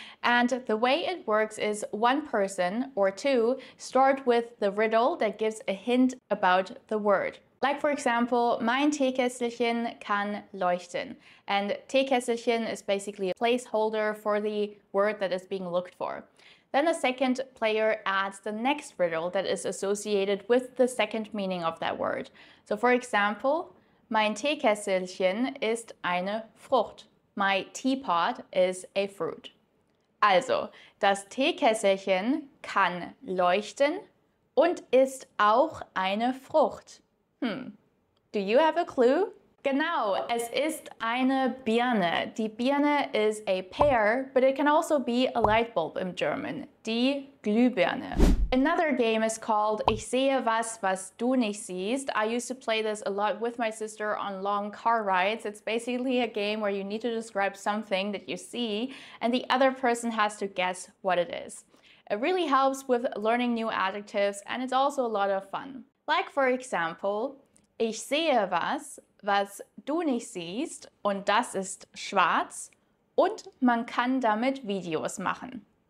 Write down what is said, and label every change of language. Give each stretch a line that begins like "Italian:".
English: And the way it works is one person or 2 start with the riddle that gives a hint about the word. Like for example,
German: mein Teekesselchen kann leuchten.
English: And Teekesselchen is basically a placeholder for the word that is being looked for. Then the second player adds the next riddle that is associated with the second meaning of that word. So for example,
German: mein Teekesselchen ist eine Frucht.
English: My teapot is a fruit.
German: Also, das Teekesselchen kann leuchten und ist auch eine Frucht.
English: Do you have a clue?
German: Genau, es ist eine Birne.
English: Die Birne is a pear, but it can also be a light bulb in German.
German: Die Glühbirne.
English: Another game is called Ich sehe was, was du nicht siehst. I used to play this a lot with my sister on long car rides. It's basically a game where you need to describe something that you see and the other person has to guess what it is. It really helps with learning new adjectives and it's also a lot of fun. Like for example,
German: ich sehe was, was du nicht siehst und das ist schwarz und man kann damit Videos machen.